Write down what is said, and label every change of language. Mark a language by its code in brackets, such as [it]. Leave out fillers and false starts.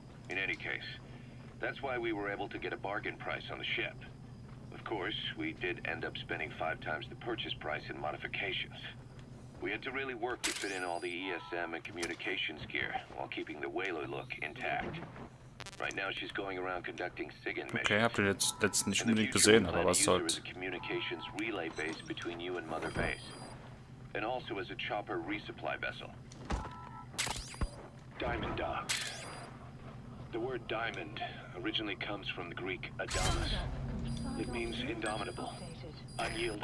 [en] In any case, that's why we were able to get a bargain price on the ship. Of course, we did end up spending 5 times the purchase price in modifications. We had to really work to fit in all the ESM and communications gear while keeping the whaler look intact. Right now she's going around conducting SIGIN missions. [de] Okay, habt ihr jetzt nicht unbedingt gesehen, aber was soll's. [en] There is a communications relay base between you and Mother Base. And also as a chopper resupply vessel. Diamond Docks. The word diamond originally comes from the Greek Adamas. It means indomitable. Unyielding.